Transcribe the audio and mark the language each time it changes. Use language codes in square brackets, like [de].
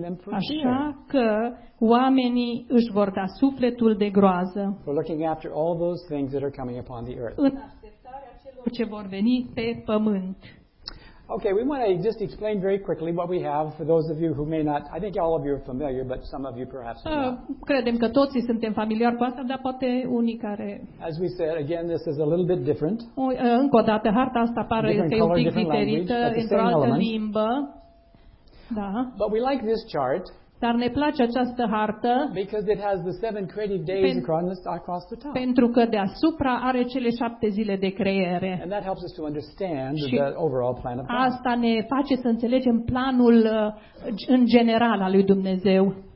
[ro] Așa că oamenii își vor da sufletul de groază. În așteptarea celor ce vor veni pe pământ. [en] Okay, we want to just explain very quickly what we have for those of you who may not. I think all of you are familiar, but some of you perhaps are not. [ro] Credem că toți suntem familiari cu asta, dar poate unii care. [en] As we said, again, this is a little bit different. [ro] Încă o dată, harta asta pare să fie un pic diferită, într-o altă limbă. Da. [en] But we like this chart. [ro] Dar ne place această hartă. [en] Because it has the seven creative days across the top. [ro] Pentru că deasupra are cele șapte zile de creiere. [en] And that helps us to understand the overall plan of God. [ro] Asta ne face să înțelegem planul în general al lui Dumnezeu.